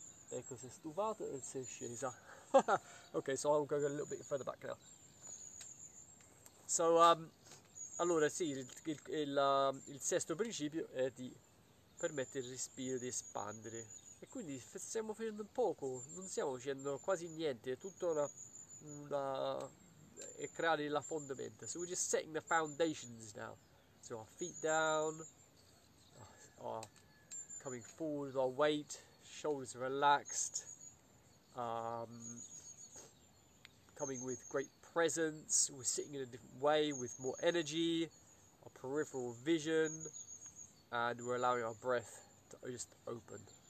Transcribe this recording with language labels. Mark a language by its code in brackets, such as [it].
[it] Ecco, si è stufato e si è scesa. [en] Okay, so I'm going a little bit further back now. [it] So, allora sì, il sesto principio è di permettere il respiro di espandere. E quindi stiamo facendo poco, non stiamo facendo quasi niente, è tutto una è creare la fondamenta. [en] So we're just setting the foundations now. So our feet down, our coming forward with our weight, shoulders relaxed, coming with great presence, we're sitting in a different way with more energy, our peripheral vision, and we're allowing our breath to just open.